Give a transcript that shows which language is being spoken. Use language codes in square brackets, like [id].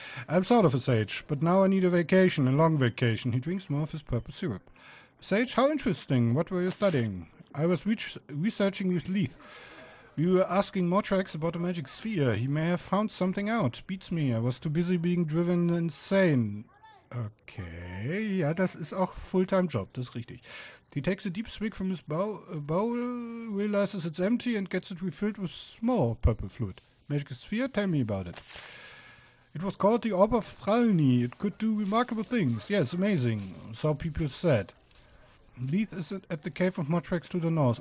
[en] I'm sort of a sage, but now I need a vacation, a long vacation. He drinks more of his purple syrup. Sage, how interesting. What were you studying? I was researching with Leith. We were asking Mortrax about a magic sphere. He may have found something out. Beats me. I was too busy being driven insane. [de] Okay, ja, das ist auch Fulltime-Job, das ist richtig. [en] He takes a deep swig from his bowl, realizes it's empty and gets it refilled with more purple fluid. Magic sphere, tell me about it. It was called the Orb of Thralni. It could do remarkable things. Yes, amazing. So people said. Leith is at the cave of Mortrax to the north.